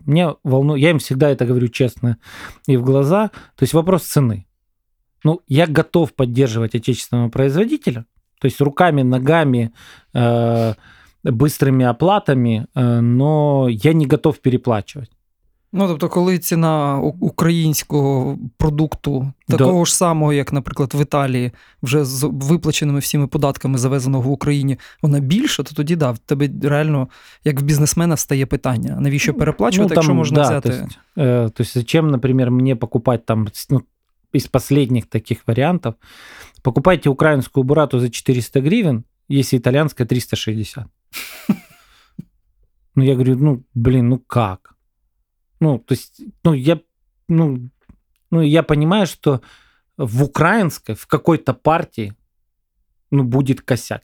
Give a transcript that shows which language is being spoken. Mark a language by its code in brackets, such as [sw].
[ru] Мне волнует, я им всегда это говорю честно и в глаза, то есть вопрос цены. Ну, я готов поддерживать отечественного производителя, то есть руками, ногами, быстрыми оплатами, но я не готов переплачивать. [uk] Ну, тобто, коли ціна українського продукту такого ж самого, як, наприклад, в Італії, вже з виплаченими всіми податками, завезеного в Україні, вона більша, то тоді, да, в тебе реально, як в бізнесмена, стає питання, навіщо переплачувати, ну, там, якщо можна, да, взяти... [ru] То есть, зачем, [uk] наприклад, мені покупати [ru] там, ну, из последних таких вариантов, покупайте украинскую бурату за 400 гривен, если итальянская 360. Ну, я говорю, ну, блин, ну как? Ну, то есть, ну, я, ну, ну, я понимаю, что в украинской, в какой-то партии, ну, будет косяк.